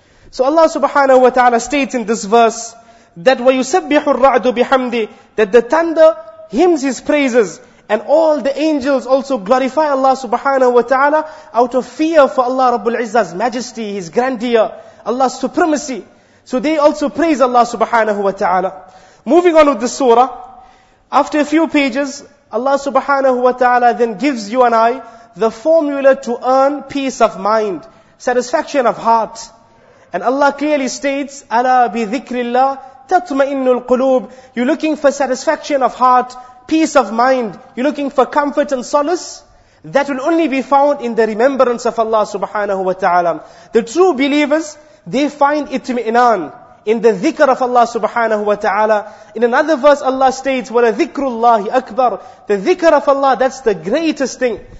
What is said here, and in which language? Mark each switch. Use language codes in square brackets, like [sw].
[en] So Allah subhanahu wa ta'ala states in this verse that [ar] وَيُسَبِّحُ الرَّعْدُ بِحَمْدِ, [en] that the thunder hymns his praises and all the angels also glorify Allah subhanahu wa ta'ala out of fear for Allah Rabbul Izzah's majesty, his grandeur, Allah's supremacy. So they also praise Allah subhanahu wa ta'ala. Moving on with the surah, after a few pages, Allah subhanahu wa ta'ala then gives you and I the formula to earn peace of mind, satisfaction of heart. And Allah clearly states, [ar] أَلَا بِذِكْرِ اللَّهِ تَطْمَئِنُّ الْقُلُوبِ. [en] You're looking for satisfaction of heart, peace of mind. You're looking for comfort and solace. That will only be found in the remembrance of Allah subhanahu wa ta'ala. The true believers, they find itmi'nan in the dhikr of Allah subhanahu wa ta'ala. In another verse, Allah states, [ar] وَلَا ذِكْرُ اللَّهِ أَكْبَرُ. [en] The dhikr of Allah, that's the greatest thing.